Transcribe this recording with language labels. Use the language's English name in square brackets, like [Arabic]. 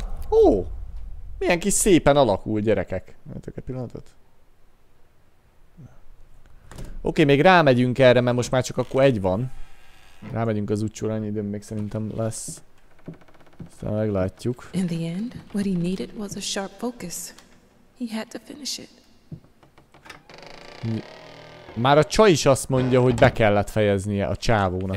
[Hungarian] Ó! Milyen kis szépen alakul, gyerekek. Mertek egy pillanatot? Oké, még rámegyünk erre, mert most már csak akkor egy van. Rámegyünk az útsóra, annyi időm még szerintem lesz. Aztán meglátjuk. [English] In the end, what he needed was a sharp focus. He had to finish it. [Hungarian] Már a csaj is azt mondja, hogy be kellett fejeznie a csávónak.